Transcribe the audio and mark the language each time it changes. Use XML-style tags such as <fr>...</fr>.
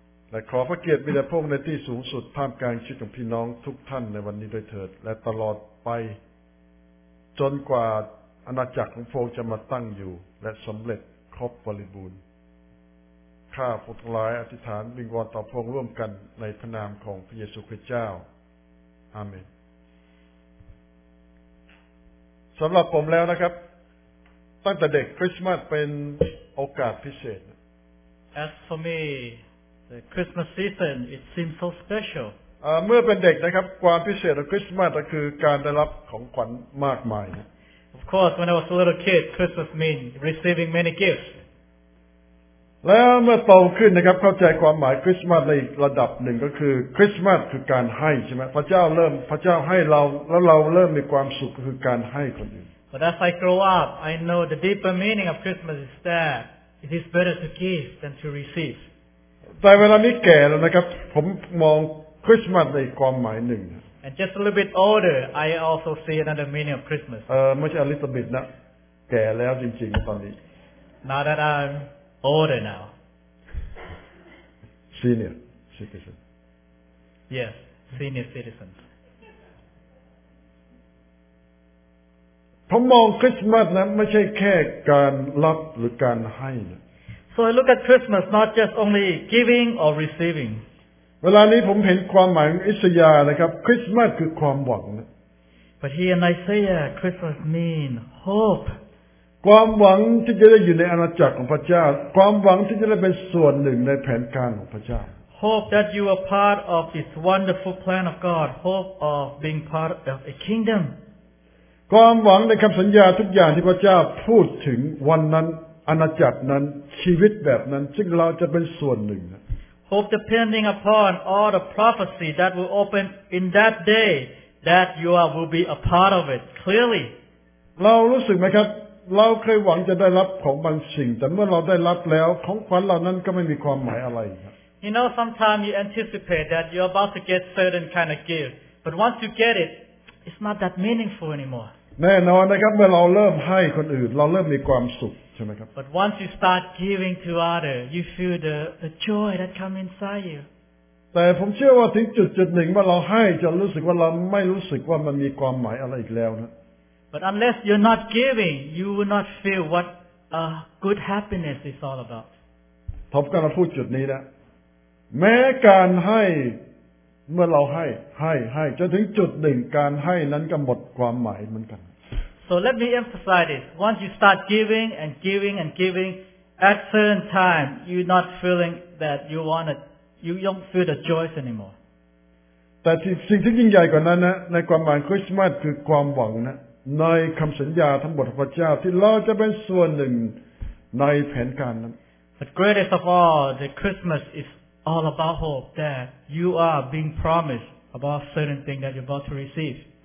<th>และขอพระเกียรติมีแด่พระองค์ในที่สูงสุดท่ามกลางชีวิตของพี่น้องทุกท่านในวันนี้ด้วยเถิดและตลอดไปจนกว่าอาณาจักรของพระองค์จะมาตั้งอยู่และสำเร็จครบบริบูรณ์ข้าพงศ์ทั้งหลายอธิษฐานวิงวอนต่อพระองค์ร่วมกันในพระนามของพระเยซูคริสต์เจ้าอาเมนสำหรับผมแล้วนะครับตั้งแต่เด็กคริสต์มาสเป็นโอกาสพิเศษ</th> <en>As for me the Christmas season it seems so special</en> <th>เมื่อเป็นเด็กนะครับความพิเศษของคริสต์มาสก็คือการได้รับของขวัญมากมาย</th> <en>Of course when I was a little kid Christmas meant receiving many gifts</en> <th>แล้วเมื่อโตขึ้นนะครับเข้าใจความหมายคริสต์มาสในอีกระดับหนึ่งก็คือคริสต์มาสคือการให้ใช่ไหมพระเจ้าให้เราแล้วเราเริ่มมีความสุขก็คือการให้คนอื่น</th> <en>But as I grow up I know the deeper meaning of Christmas is that it is better to give than to receive</en> <th>แต่เวลานี้แก่แล้วนะครับผมมองคริสต์มาสในความหมายหนึ่ง</th> <en>And just a little bit older I also see another meaning of Christmas</en> <th>ไม่ใช่</th> <en>a little bit</en> <th>นะแก่แล้วจริงๆตอนนี้</th> <en>Now that I'mOlder now. Senior citizen. Yes, senior citizen.</en> <th>ผมมองคริสต์มาสนะไม่ใช่แค่การรับหรือการให้นะ</th> <en>So I look at Christmas not just only giving or receiving.</en> <th>เวลานี้ผมเห็นความหมายของอิสยาห์นะครับคริสต์มาสคือความหวังนะ</th> <en>But here in Isaiah, Christmas means hope.</en> <th>ความหวังที่จะได้อยู่ในอาณาจักรของพระเจ้าความหวังที่จะได้เป็นส่วนหนึ่งในแผนการของพระเจ้า</th> <en>Hope that you are part of this wonderful plan of God. Hope of being part of a kingdom.</en> <th>ความหวังในคำสัญญาทุกอย่างที่พระเจ้าพูดถึงวันนั้นอาณาจักรนั้นชีวิตแบบนั้นซึ่งเราจะเป็นส่วนหนึ่ง</th> <en>Hope depending upon all the prophecy that will open in that day that you are will be a part of it clearly.</en> <th>เรารู้สึกไหมครับเราเคยหวังจะได้รับของบางสิ่งแต่เมื่อเราได้รับแล้วของขวัญเหล่านั้นก็ไม่มีความหมายอะไรครับ</th> <en>You know sometimes you anticipate that you're about to get certain kind of gift but once you get it it's not that meaningful anymore</en> <th>แน่นอนนะครับเมื่อเราเริ่มให้คนอื่นเราเริ่มมีความสุขใช่ไหมครับ</th> <en>But once you start giving to others, you feel the joy that comes inside you.</en> <th>แต่ผมเชื่อว่าถึงจุดหนึ่งเมื่อเราให้จะรู้สึกว่าเราไม่รู้สึกว่ามันมีความหมายอะไรอีกแล้วนะ</th> <en>But unless you're not giving, you will not feel what a good happiness is all about.</en> <th>ผมกำลังพูดจุดนี้นะแม้การให้เมื่อเราให้จนถึงจุดหนึ่งการให้นั้นก็หมดความหมายเหมือนกัน</th> <en>So let me emphasize this once you start giving and giving and giving at certain time you're not feeling that you want it you don't feel the joy anymore</en> <th>แต่สิ่งที่ยิ่งใหญ่กว่านั้นนะในความหมายคริสต์มาสคือความหวังนะในคำสัญญาทั้งหมดของพระเจ้าที่เราจะเป็นส่วนหนึ่งในแผนการนั้น</th> <en>But greatest of all the Christmas isAll about hope that you are being promised about certain thing that you're about to receive.</en>